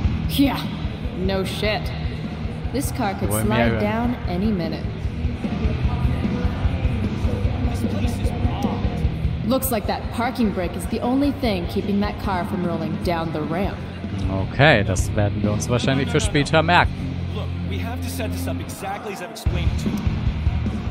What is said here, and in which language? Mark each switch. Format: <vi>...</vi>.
<en>Yeah, no shit. This car could slide mehr, down any minute. Looks like that parking brake is the only thing keeping that car from rolling down the ramp.</en> <de>Okay, das werden wir uns wahrscheinlich für später merken.</de> <en>Look, we have to set this up exactly as I've explained it to you.</en>